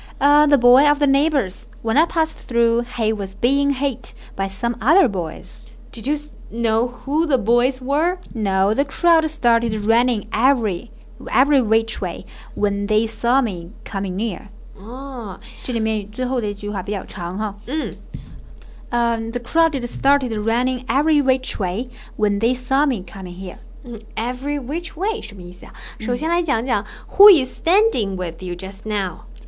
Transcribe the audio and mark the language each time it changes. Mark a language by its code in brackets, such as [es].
[en] The boy of the neighbors. When I passed through, he was being hit by some other boys. Did you know who the boys were? No, the crowd started running every which way when they saw me coming near. [zh] 这里面最后的一句话比较长哈。 [en] The crowd started running every which way when they saw me coming here. [zh] Every which way 什么意思啊？首先来讲讲 [en] who is standing with you just now。